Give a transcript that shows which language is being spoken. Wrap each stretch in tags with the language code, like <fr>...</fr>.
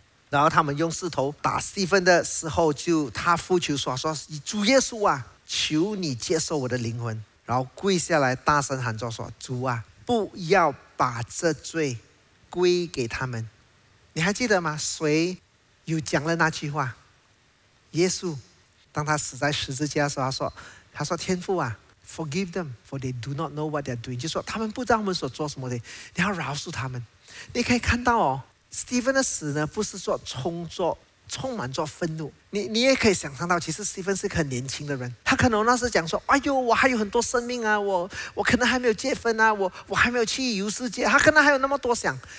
<zh>然后他们用石头打斯蒂芬的时候，就他呼求说，说主耶稣啊，求你接受我的灵魂。然后跪下来大声喊着说，主啊，不要把这罪归给他们。你还记得吗？谁有讲了那句话？耶稣当他死在十字架的时候，他说天父啊，</zh> <en>Forgive them, for they do not know what they're doing.</en> <zh>就说他们不知道他们所做什么的，你要饶恕他们。你可以看到哦， Stephen 的死呢，不是说充满着愤怒。你也可以想象到，其实 Stephen 是个很年轻的人，他可能那时讲说，哎呦，我还有很多生命啊，我可能还没有戒分啊，我还没有去游世界，他可能还有那么多想。</zh>